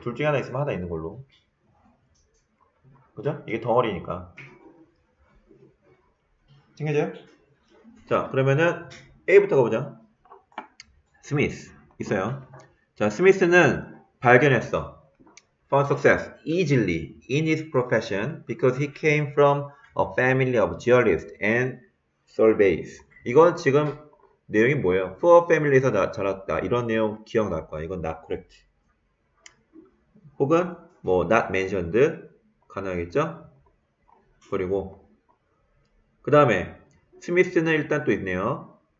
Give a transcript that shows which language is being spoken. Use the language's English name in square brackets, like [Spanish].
[Korean] 둘 중에 하나 있으면 하나 있는 걸로. 그죠? 이게 덩어리니까. 챙겨져요? 자, 그러면은 A부터 가보자. 스미스. 있어요. 자, 스미스는 발견했어. [English] Found success easily in his profession because he came from a family of jewelists and surveys. [Korean] 이건 지금 내용이 뭐예요? Poor family 에서 자랐다. 이런 내용 기억날 거야. 이건 not correct. 혹은 뭐 not mentioned 가능하겠죠? 그리고 그 다음에 스미스는 일단 또 있네요.